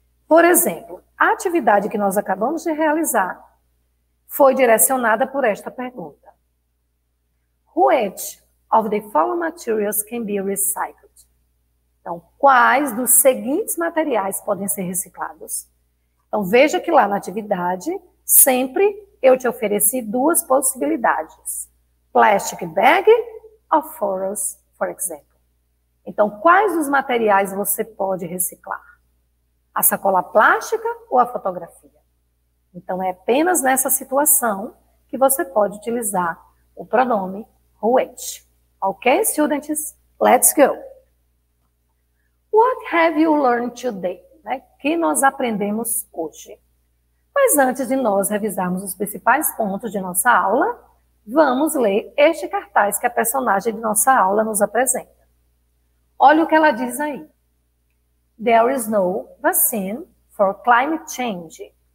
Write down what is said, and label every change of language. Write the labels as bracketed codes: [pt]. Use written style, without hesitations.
[pt] Por exemplo, a atividade que nós acabamos de realizar foi direcionada por esta pergunta. [en] Which of the following materials can be recycled? [pt] Então, quais dos seguintes materiais podem ser reciclados? Então, veja que lá na atividade, sempre eu te ofereci duas possibilidades. [en] Plastic bag ou photos, for example. [pt] Então, quais dos materiais você pode reciclar? A sacola plástica ou a fotografia? Então, é apenas nessa situação que você pode utilizar o pronome which. [en] Ok, students? Let's go. What have you learned today? [pt] né, que nós aprendemos hoje. Mas antes de nós revisarmos os principais pontos de nossa aula, vamos ler este cartaz que a personagem de nossa aula nos apresenta. Olha o que ela diz aí. [en] There is no vaccine for climate change.